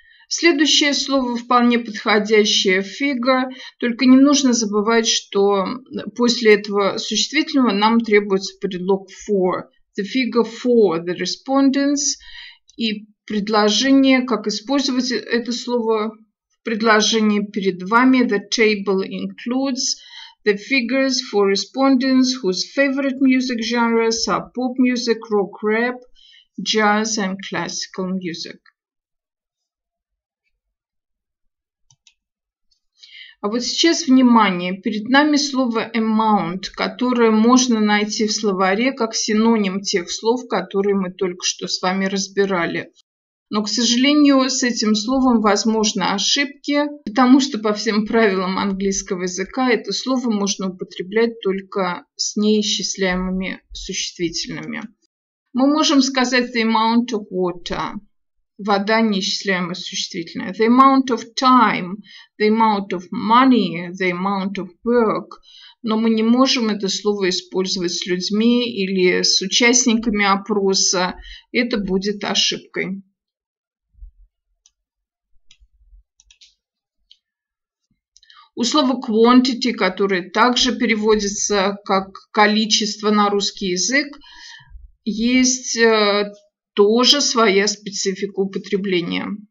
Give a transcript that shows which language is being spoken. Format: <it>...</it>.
<ru>Следующее слово вполне подходящее – figure. Только не нужно забывать, что после этого существительного нам требуется предлог for.</ru> <en>The figure for the respondents.</en> <ru>И предложение, как использовать это слово в предложении перед вами.</ru> <en>The table includes the figures for respondents whose favorite music genres are pop music, rock, rap, jazz and classical music.</en> <ru>А вот сейчас внимание, перед нами слово amount, которое можно найти в словаре как синоним тех слов, которые мы только что с вами разбирали. Но, к сожалению, с этим словом возможны ошибки, потому что по всем правилам английского языка это слово можно употреблять только с неисчисляемыми существительными.</ru> <en>Мы можем сказать the amount of water.</en> <ru>Вода – неисчисляемое существительное.</ru> <en>The amount of time, the amount of money, the amount of work.</en> <ru>Но мы не можем это слово использовать с людьми или с участниками опроса. Это будет ошибкой. У слова quantity, которое также переводится как количество на русский язык, есть тоже своя специфика употребления.</ru>